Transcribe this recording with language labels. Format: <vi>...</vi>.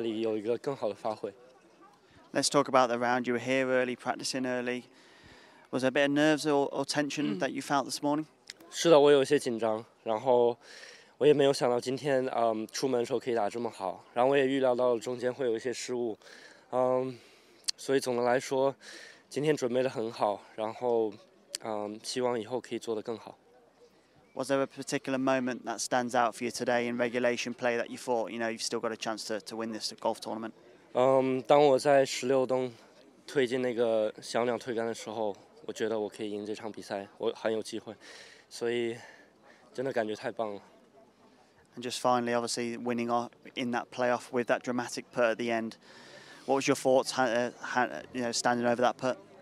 <zh>对，我们，然后我也没有想到我最后一动赢了之后我会哭成那样子，可能是平常真的有努力了才真正有经历过低谷才会知道，得来的有多不容易，以前太顺了，所以我觉得这是对我的一个很好的考验，然后很开心我挺过来了，然后希望在后面比赛里有一个更好的发挥。</zh> <en>Let's talk about the round. You were here early, practicing early. Was there a bit of nerves or tension that you felt this morning?</en> <zh>是的，我有一些紧张，然后我也没有想到今天出门的时候可以打这么好，然后我也预料到了中间会有一些失误，所以总的来说，今天准备得很好，然后希望以后可以做得更好。</zh> <en>Was there a particular moment that stands out for you today in regulation play that you thought, you know, you've still got a chance to win this golf tournament?</en> <zh>当我在16洞推进那个小鸟推杆的时候， 我觉得我可以赢这场比赛，我很有机会，所以真的感觉太棒了。</zh> <en>And just finally, obviously, winning in that playoff with that dramatic putt at the end, what was your thoughts, standing over that putt?</en>